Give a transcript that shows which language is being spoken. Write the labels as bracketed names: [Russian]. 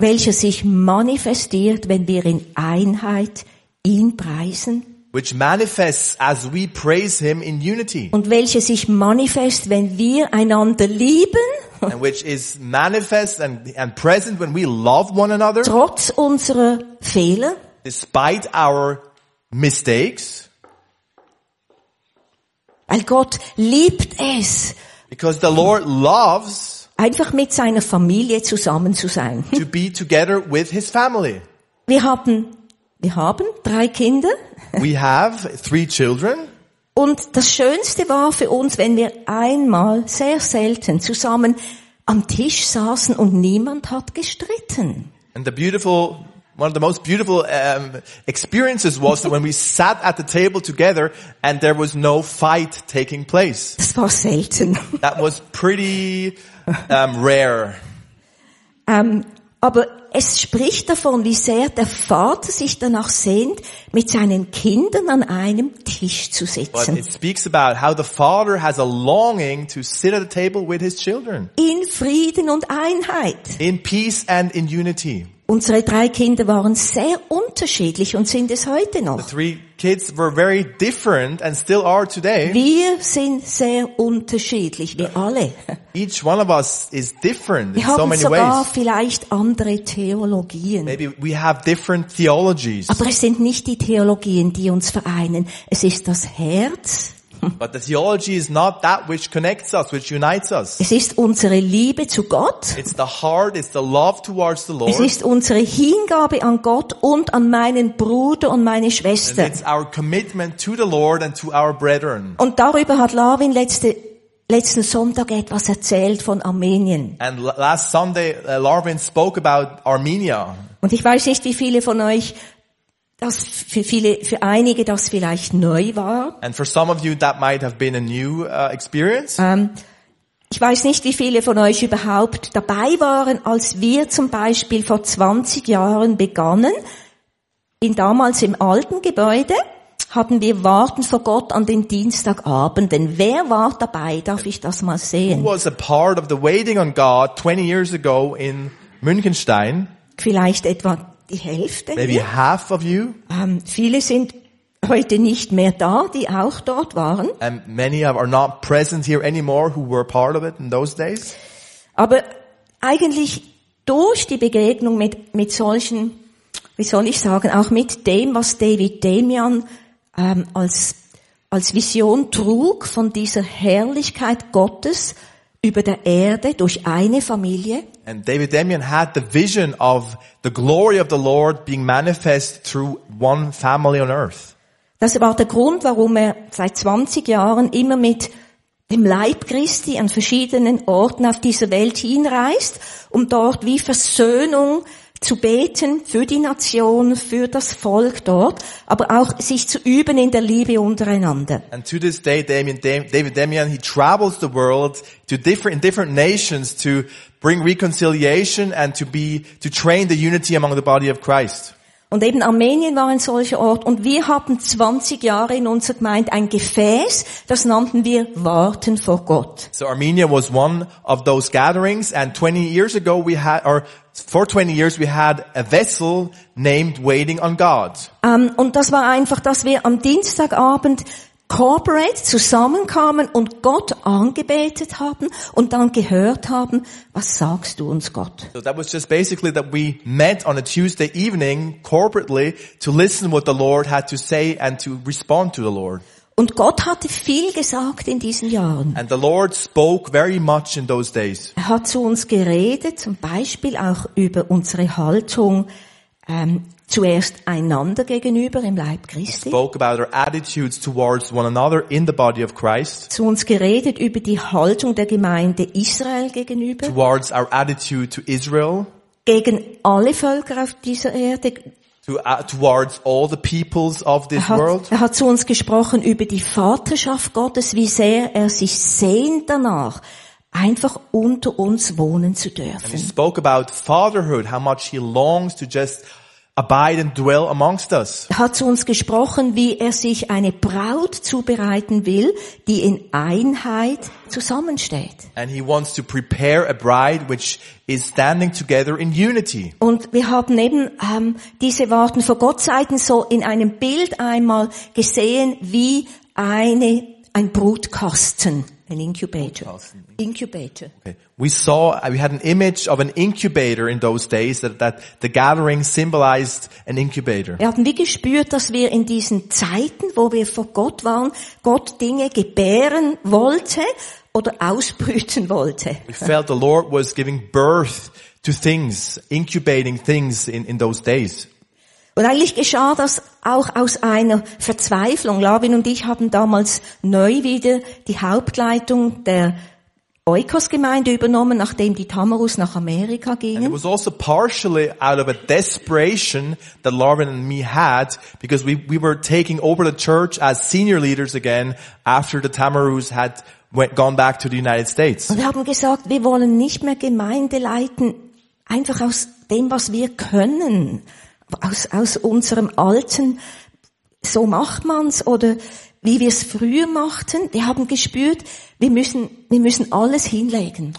[German] welche sich manifestiert, wenn wir in Einheit ihn preisen, [English] which manifests as we praise him in unity, [German] und welche sich manifest, wenn wir einander lieben, [English] and which is manifest and present when we love one another, [German] trotz unserer Fehler, [English] despite our mistakes. [German] Weil Gott liebt es. [English] Because the Lord loves. [German] Einfach mit seiner Familie zusammen zu sein. [English] To be together with his family. [German] Wir haben drei Kinder. [English] We have three children. [German] Und das Schönste war für uns, wenn wir einmal sehr selten zusammen am Tisch saßen und niemand hat gestritten. [English] And the beautiful. One of the most beautiful experiences was when we sat at the table together and there was no fight taking place. [German] Das war selten. [English] That was pretty rare. [German] Aber es spricht davon, wie sehr der Vater sich danach sehnt, mit seinen Kindern an einem Tisch zu sitzen. [English] But it speaks about how the father has a longing to sit at the table with his children. [German] In Frieden und Einheit. [English] In peace and in unity. [German] Unsere drei Kinder waren sehr unterschiedlich und sind es heute noch. [English] The three kids were very different and still are today. [German] Wir sind sehr unterschiedlich, wir alle. [English] Each one of us is different in so many [German] Wir haben sogar vielleicht andere Theologien. [English] Maybe we have different theologies. [German] Aber es sind nicht die Theologien, die uns vereinen. Es ist das Herz. [English] But the theology is not that which connects us, which unites us. [German] Es ist unsere Liebe zu Gott. [English] It's the heart, it's the love towards the Lord. [German] Es ist unsere Hingabe an Gott und an meinen Bruder und meine Schwester. [English] And it's our commitment to the Lord and to our brethren. [German] Und darüber hat Lavin letzten Sonntag etwas erzählt von Armenien. [English] And last Sunday, Lavin spoke about Armenia. [German] Und ich weiß nicht, wie viele von euch das für einige das vielleicht neu war. [English] And for some of you that might have been a new experience. [German] Ich weiß nicht, wie viele von euch überhaupt dabei waren, als wir zum Beispiel vor 20 Jahren begannen. Damals im alten Gebäude hatten wir Warten vor Gott an den Dienstagabenden. Wer war dabei? Darf ich das mal sehen? [English] Who was a part of the waiting on God 20 years ago in Münchenstein? [German] Vielleicht etwa die Hälfte. [English] Maybe half of you. [German] Viele sind heute nicht mehr da, die auch dort waren. [English] And many are not present here anymore who were part of it in those days. [German] Aber eigentlich durch die Begegnung mit solchen wie soll ich sagen, auch mit dem, was David Damian als Vision trug von dieser Herrlichkeit Gottes über der Erde durch eine Familie. [English] And David Damian had the vision of the glory of the Lord being manifest through one family on earth. [German] Das war der Grund, warum er seit 20 Jahren immer mit dem Leib Christi an verschiedenen Orten auf dieser Welt hinreist, um dort wie Versöhnung zu beten für die Nation, für das Volk dort, aber auch sich zu üben in der Liebe untereinander. [English] And to this day, David Damian, he travels the world to different nations to bring reconciliation and to train the unity among the body of Christ. [German] Und eben Armenien war ein solcher Ort, und wir hatten 20 Jahre in unserer Gemeinde ein Gefäß, das nannten wir Warten vor Gott. [English] So Armenia was one of those gatherings, and 20 years ago we had, or for 20 years we had a vessel named Waiting on God. [German] Und das war einfach, dass wir am Dienstagabend corporate zusammenkamen und Gott angebetet haben und dann gehört haben, was sagst du uns, Gott? [English] So that was just basically that we met on a Tuesday evening corporately to listen what the Lord had to say and to respond to the Lord. [German] Und Gott hatte viel gesagt in diesen Jahren. [English] And the Lord spoke very much in those days. [German] Er hat zu uns geredet, zum Beispiel auch über unsere Haltung, zuerst einander gegenüber im Leib Christi. [English] Spoke about our attitudes towards one another in the body of Christ. [German] Zu uns geredet über die Haltung der Gemeinde Israel gegenüber. [English] Towards our attitude to Israel. [German] Gegen alle Völker auf dieser Erde. [English] Towards all the peoples of this world. [German] Er hat zu uns gesprochen über die Vaterschaft Gottes, wie sehr er sich sehnt danach, einfach unter uns wohnen zu dürfen. [English] And he spoke about fatherhood, how much he longs to just abide and dwell amongst us. [German] Er hat zu uns gesprochen, wie er sich eine Braut zubereiten will, die in Einheit zusammensteht. [English] And he wants to prepare a bride which is standing together in unity. [German] Und wir haben eben diese Worte vor Gott Zeiten so in einem Bild einmal gesehen, wie ein Brutkasten. [English] An incubator. Incubator. Okay. We had an image of an incubator in those days that the gathering symbolized an incubator. [German] Wir hatten wie gespürt, dass wir in diesen Zeiten, wo wir vor Gott waren, Gott Dinge gebären wollte oder ausbrüten wollte. [English] We felt the Lord was giving birth to things, incubating things in those days. [German] Und eigentlich geschah das auch aus einer Verzweiflung. Lavin und ich haben damals neu wieder die Hauptleitung der Oikos-Gemeinde übernommen, nachdem die Tamarus nach Amerika gingen. [English] And it was also partially out of a desperation that Lavin and me had, because we were taking over the church as senior leaders again after the Tamarus had gone back to the United States. [German] Und wir haben gesagt, wir wollen nicht mehr Gemeinde leiten, einfach aus dem, was wir können. Aus unserem alten, so macht man's, oder wie wir es früher machten. Wir haben gespürt, wir müssen alles hinlegen.